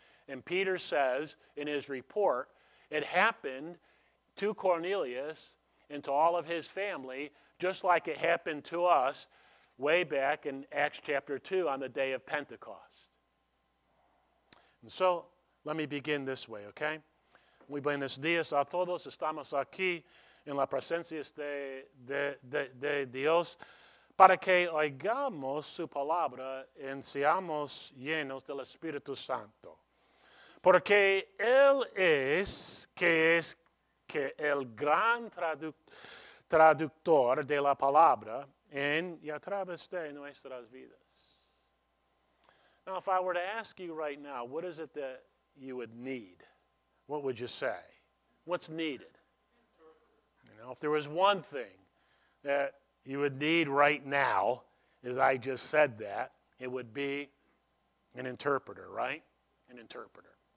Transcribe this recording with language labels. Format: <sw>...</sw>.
<en>And Peter says in his report, it happened to Cornelius and to all of his family, just like it happened to us way back in Acts chapter 2 on the day of Pentecost. And so, let me begin this way, okay?</en> <es>Muy buenos días a todos. Estamos aquí en la presencia de Dios para que oigamos su palabra y seamos llenos del Espíritu Santo. Porque Él es que el gran traductor de la palabra en y a través de nuestras vidas.</es> <en>Now, if I were to ask you right now, what is it that you would need? What would you say? What's needed? You know, if there was one thing that you would need right now, as I just said that, it would be an interpreter, right? An interpreter.</en>